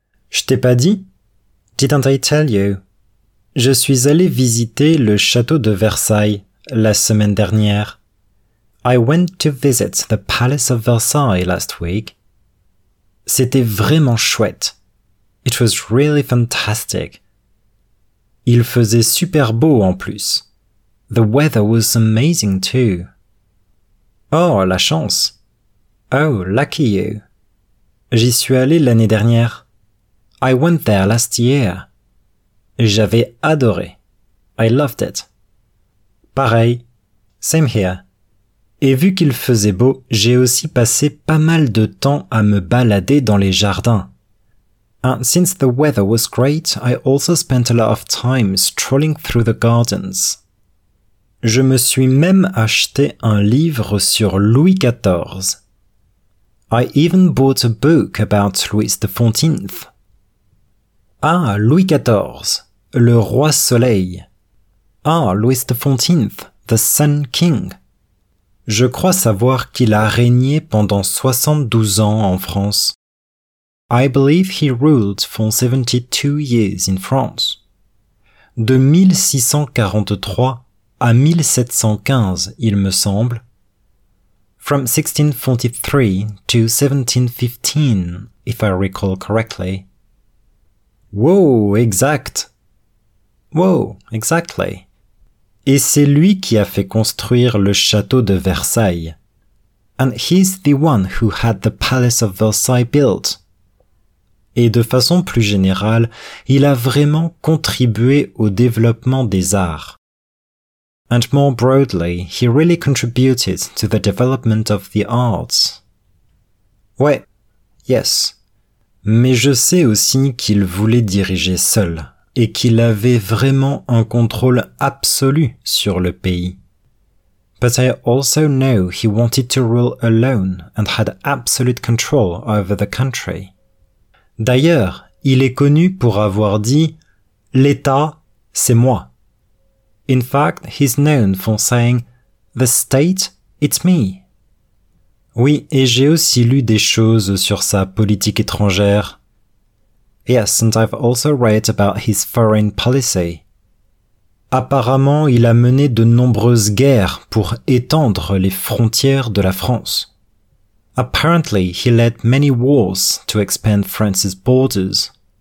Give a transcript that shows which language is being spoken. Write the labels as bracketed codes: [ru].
[fr] Je t'ai pas dit? [en] Didn't I tell you? [fr] Je suis allé visiter le château de Versailles la semaine dernière. [en] I went to visit the Palace of Versailles last week. [fr] C'était vraiment chouette. [en] It was really fantastic. [fr] Il faisait super beau en plus. [en] The weather was amazing too. [fr] Oh, la chance. [en] Oh, lucky you. [fr] J'y suis allé l'année dernière. [en] I went there last year. [fr] J'avais adoré. [en] I loved it. [fr] Pareil. [en] Same here. [fr] Et vu qu'il faisait beau, j'ai aussi passé pas mal de temps à me balader dans les jardins. [en] And since the weather was great, I also spent a lot of time strolling through the gardens. [fr] Je me suis même acheté un livre sur Louis XIV. [en] I even bought a book about Louis XIV. [fr] Ah, Louis XIV, le Roi Soleil. [en] Ah, Louis XIV, the Sun King. [fr] Je crois savoir qu'il a régné pendant 72 ans en France. [en] I believe he ruled for 72 years in France. [fr] De 1643 à 1715, il me semble. [en] From 1643 to 1715, if I recall correctly. [fr] Wow, exact. [en] Wow, exactly. [fr] Et c'est lui qui a fait construire le château de Versailles. [en] And he's the one who had the Palace of Versailles built. [fr] Et de façon plus générale, il a vraiment contribué au développement des arts. [en] And more broadly, he really contributed to the development of the arts. [fr] Ouais, yes. Mais je sais aussi qu'il voulait diriger seul. Et qu'il avait vraiment un contrôle absolu sur le pays. [en] But I also know he wanted to rule alone and had absolute control over the country. [fr] D'ailleurs, il est connu pour avoir dit « l'État, c'est moi ». [en] In fact, he's known for saying The state, it's me. [fr] Oui, et j'ai aussi lu des choses sur sa politique étrangère. [en] Yes, and I've also read about his foreign policy. [fr] Apparemment, il a mené de nombreuses guerres pour étendre les frontières de la France. [en] Apparently, he led many wars to expand France's borders.